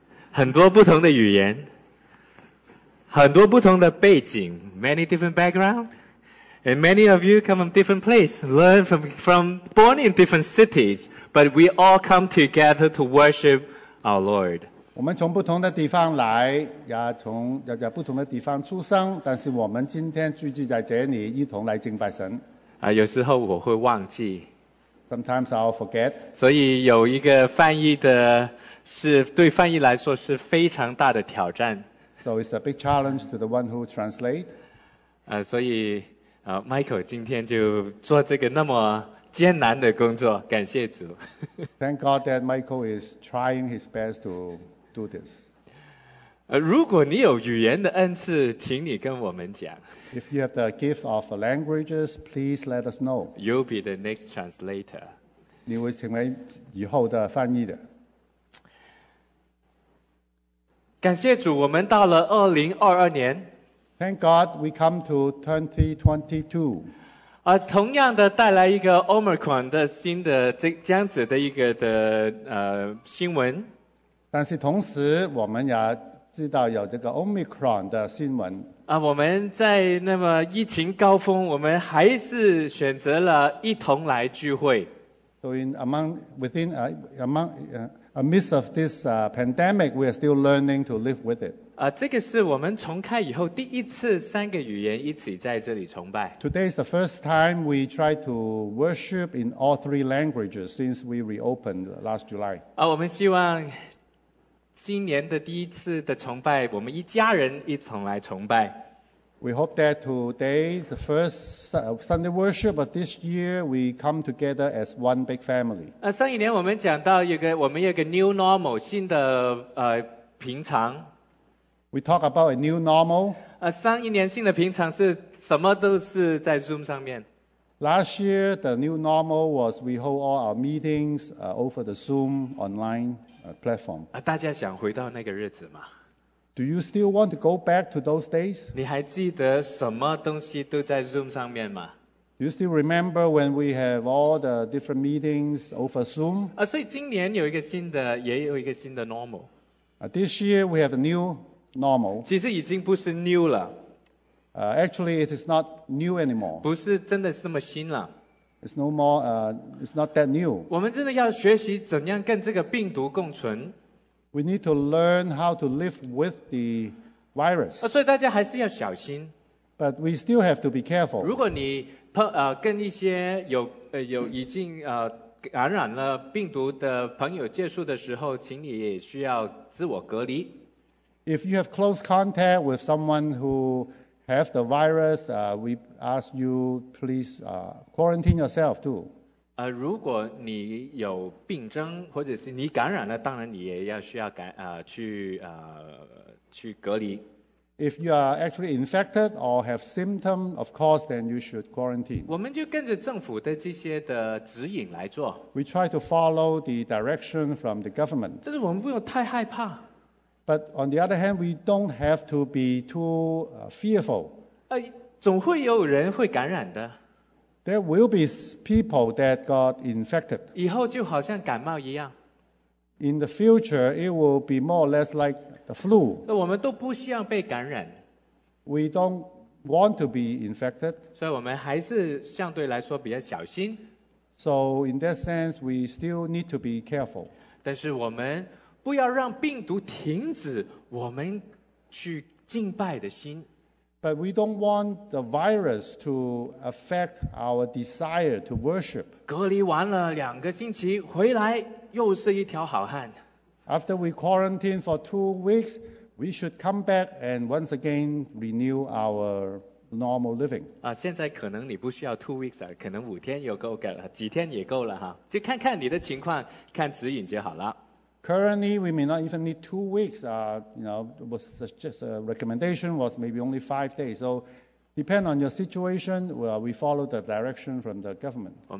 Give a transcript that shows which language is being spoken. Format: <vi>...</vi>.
<zh>很多不同的语言。很多不同的背景</zh> <en>，many different background, and many of you come from different place, learn from born in different cities, but we all come together to worship our Lord.</en> <zh>我们从不同的地方来，也从在不同的地方出生，但是我们今天聚集在这里，一同来敬拜神。啊，有时候我会忘记。</zh> <en>Sometimes I'll forget.</en> <zh>所以有一个翻译的是对翻译来说是非常大的挑战。</zh> <en>So it's a big challenge to the one who translate.</en> <zh>所以Michael 今天就做这个那么艰难的工作，感谢主。</zh> <en>Thank God that Michael is trying his best to do this.</en> <zh>如果你有语言的恩赐，请你跟我们讲。</zh> <en>If you have the gift of languages, please let us know. You'll be the next translator.</en> <zh>你会成为以后的翻译的。感谢主，我们到了2022年。</zh> <en>Thank God we come to 2022.</en> <zh>同样的带来一个 Omicron 的新的这样子的一个的新闻。但是同时我们也知道有这个 Omicron 的新闻。我们在那么疫情高峰，我们还是选择了一同来聚会。</zh> <en>So in amidst of this pandemic, we are still learning to live with it.</en> <zh>这个是我们重开以后第一次三个语言一起在这里崇拜。</zh> <en>Today is the first time we try to worship in all three languages since we reopened last July.</en> <zh>我们希望今年的第一次的崇拜，我们一家人一同来崇拜。</zh> <en>We hope that today, the first Sunday worship of this year, we come together as one big family.</en> <zh>上一年我们讲到我们有个</zh> <en>new normal,</en> <zh>新的平常。</zh> <en>We talk about a new normal.</en> <zh>上一年新的平常是什么都是在 Zoom 上面。</zh> <en>Last year, the new normal was we hold all our meetings over the Zoom online platform.</en> <zh>大家想回到那个日子吗？</zh> <en>Do you still want to go back to those days?</en> <zh>你还记得什么东西都在 Zoom 上面吗？</zh> <en>Do you still remember when we have all the different meetings over Zoom?</en> <zh>所以今年有一个新的，也有一个新的 normal.</zh> <en>This year we have a new normal.</en> <zh>其实已经不是 new 了。</zh> <en>Actually, it is not new anymore.</en> <zh>不是真的是那么新了。</zh> <en>It's no more, it's not that new.</en> <zh>我们真的要学习怎样跟这个病毒共存。</zh> <en>We need to learn how to live with the virus.</en> <zh>所以大家还是要小心。</zh> <en>But we still have to be careful.</en> <zh>如果你跟一些有已经感染了病毒的朋友接触的时候，请你也需要自我隔离。</zh> <en>If you have close contact with someone who have the virus, we ask you please quarantine yourself too.</en> <zh>如果你有病症或者是你感染了，当然你也要需要去隔离。</zh> <en>If you are actually infected or have symptoms, of course, then you should quarantine.</en> <zh>我们就跟着政府的这些的指引来做。</zh> <en>We try to follow the direction from the government.</en> <zh>但是我们不用太害怕。</zh> <en>But on the other hand, we don't have to be too fearful.</en> <zh>总会有人会感染的。</zh> <en>There will be people that got infected.</en> <zh>以后就好像感冒一样。</zh> <en>In the future, it will be more or less like the flu.</en> <zh>我们都不希望被感染。</zh> <en>We don't want to be infected.</en> <zh>所以我们还是相对来说比较小心。</zh> <en>So in that sense, we still need to be careful.</en> <zh>但是我们不要让病毒停止我们去敬拜的心。</zh> <en>But we don't want the virus to affect our desire to worship.</en> <zh>隔离完了两个星期，回来又是一条好汉。</zh> <en>After we quarantine for 2 weeks, we should come back and once again renew our normal living.</en> <zh>现在可能你不需要</zh> <en>2 weeks</en> <zh>啊，可能5天也够了，几天也够了哈，就看看你的情况，看指引就好了。</zh> <en>Currently, we may not even need 2 weeks. It was just a recommendation was maybe only 5 days. So, depend on your situation, well, we follow the direction from the government.</en>